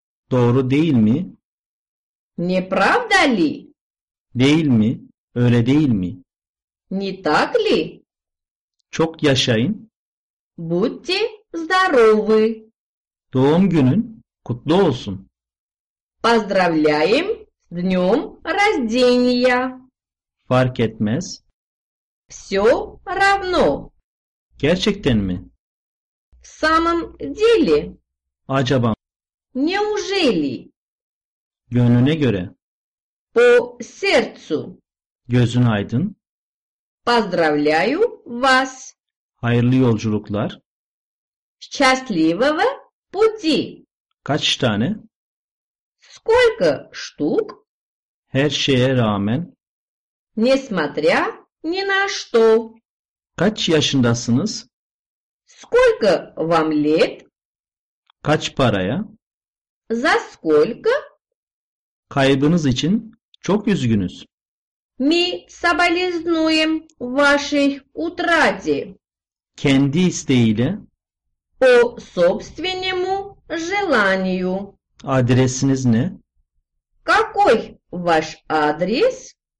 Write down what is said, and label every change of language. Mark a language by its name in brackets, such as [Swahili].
[Turkish] doğru değil mi? [Russian] Не правда ли? [Turkish] Değil mi? Öyle değil mi? [Russian] Не так ли? [Turkish] Çok yaşayın. [Russian] Будьте здоровы. [Turkish] Doğum günün kutlu olsun. [Russian] Поздравляем с днем рождения. [Turkish] Fark etmez. [Russian] Все равно. [Turkish] Gerçekten mi? [Russian] В самом деле. [Turkish] Acaba? [Russian] Неужели? [Turkish] Gönlüne göre. [Russian] По сердцу. [Turkish] Gözün aydın. [Russian] Поздравляю вас. [Turkish] Hayırlı yolculuklar. [Russian] Счастливого пути. [Turkish] Kaç tane? [Russian] Сколько штук? [Turkish] Her şeye rağmen. [Russian] Несмотря ни на что. [Turkish] Kaç yaşındasınız? [Russian] Сколько вам лет? [Turkish] Kaç paraya? [Russian] За сколько? [Turkish] Kaybınız için çok üzgünüz. [Russian] Мы соболезнуем вашей утрате. [Turkish] Kendi isteğiyle. [Russian] По собственному желанию. [Turkish] Adresiniz ne? [Russian] Какой ваш адрес?